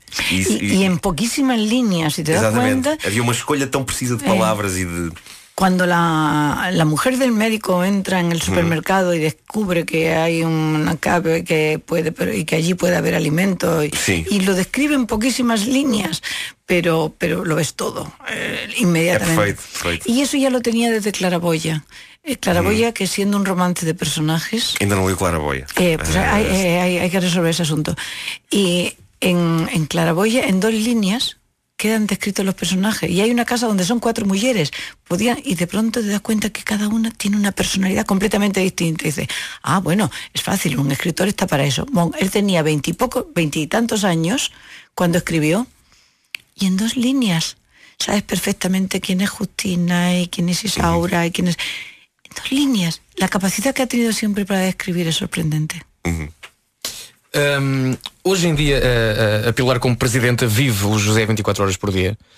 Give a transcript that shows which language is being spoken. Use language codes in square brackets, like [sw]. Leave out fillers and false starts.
[pt] E em pouquíssimas linhas, se te dá conta. Havia uma escolha tão precisa de palavras e de... [es] Cuando la mujer del médico entra en el supermercado y descubre que hay una cave que puede, pero, y que allí puede haber alimento, y lo describe en poquísimas líneas, pero lo ves todo, inmediatamente. Perfecto. Y eso ya lo tenía desde Claraboya. Claraboya, que siendo un romance de personajes... [pt] Ainda no leo Claraboya. [es] Hay que resolver ese asunto. Y en Claraboya, en dos líneas, quedan descritos los personajes. Y hay una casa donde son cuatro mujeres. Y de pronto te das cuenta que cada una tiene una personalidad completamente distinta. Y dices, ah, bueno, es fácil, un escritor está para eso. Bueno, él tenía veintitantos años cuando escribió. Y en dos líneas sabes perfectamente quién es Justina y quién es Isaura y quién es... En dos líneas. La capacidad que ha tenido siempre para escribir es sorprendente. [pt] Hoje em dia, a Pilar como presidenta vive o José 24 horas por dia.